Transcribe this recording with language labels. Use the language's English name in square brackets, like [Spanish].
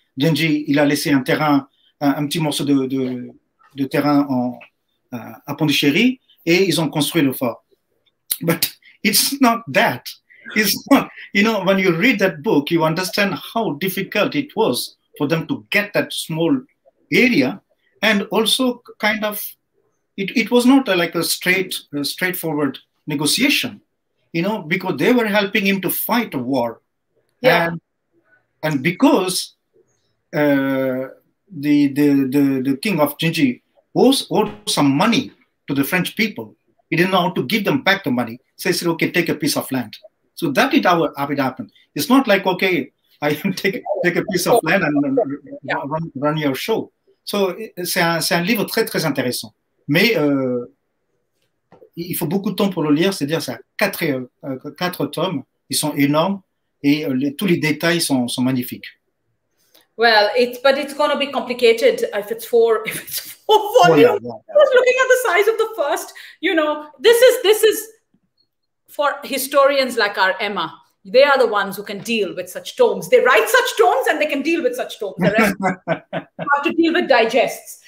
[French] Genji, il a laissé un terrain, un petit morceau de terrain à Pondichéry, et ils ont construit le fort. [English] But it's not that. It's not, you know, when you read that book, you understand how difficult it was for them to get that small area, and also kind of, it was not like a straightforward negotiation. You know, because they were helping him to fight a war. Yeah. And because the king of Jinji owed some money to the French people, he didn't know how to give them back the money. So he said, okay, take a piece of land. So that is how it happened. It's not like, okay, I take a piece of land and run your show. [French] So c'est un livre très, très intéressant. Mais... il faut beaucoup de temps pour le lire, c'est-à-dire c'est quatre tomes, ils sont énormes et tous les détails sont magnifiques. [English] Well, but it's going to be complicated if it's four volumes. Yeah, yeah. I was looking at the size of the first, you know, this is for historians like our Emma. They are the ones who can deal with such tomes. They write such tomes and they can deal with such tomes. The rest have to deal with digests.